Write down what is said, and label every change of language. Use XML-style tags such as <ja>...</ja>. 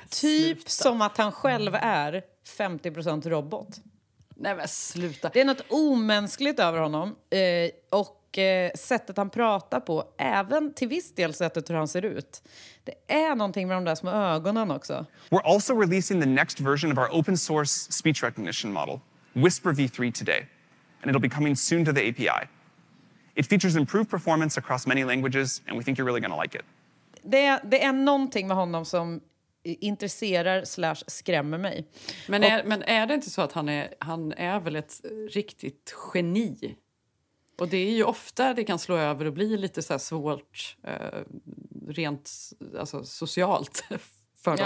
<sv>typ som att han själv är 50% robot. Nej, men sluta. Det är något omänskligt över honom. Och sättet han pratar på, även till viss del sättet hur han ser ut. Det är någonting med de där små ögonen också.</sv> <en>We're also releasing the next version of our open source speech recognition model, Whisper V3 today. And it'll be coming soon to the API. It features improved performance across many languages, and we think you're really going to like it.</en> <sv>Det är någonting med honom som intresserar slash skrämmer mig. Men är det inte så att han är väl ett riktigt geni? Och det är ju ofta det kan slå över och bli lite så här svårt rent alltså socialt för dem.</sv>